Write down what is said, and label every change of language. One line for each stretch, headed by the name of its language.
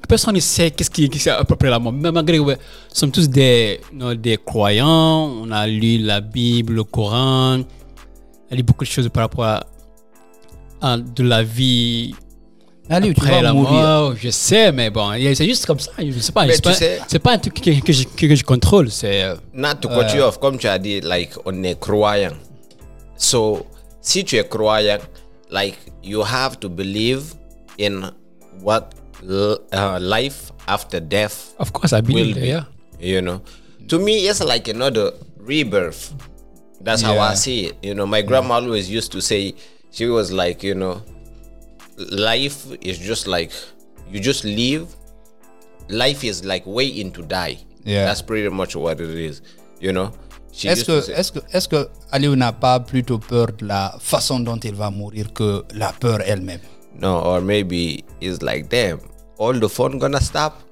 French: Personne ne sait qu'est-ce qui est à peu près la mort. Mais malgré que nous sommes tous des croyants, on a lu la Bible, le Coran, on a lu beaucoup de choses par rapport à de la vie. Allez, tu vas mourir. Je sais, mais bon, c'est juste comme ça. Je sais pas. Je sais pas, c'est pas un truc que je contrôle. C'est
English: not to cut you off.
French: Comme tu as dit, like on est croyant.
English: So
French: si tu es croyant,
English: like you have to believe in what life after death. Of course, I believe. Be, yeah. You know, to me, it's like another rebirth. That's how I see it. You know, my grandma always used to say, she was like, you know, life is just like you just live. Life is like waiting to die. Yeah, that's pretty much what it is. You know.
French: She est-ce que Aliou n'a pas plutôt peur de la façon dont il va mourir que la peur elle-même?
English: No, or maybe it's like damn, all the fun gonna stop.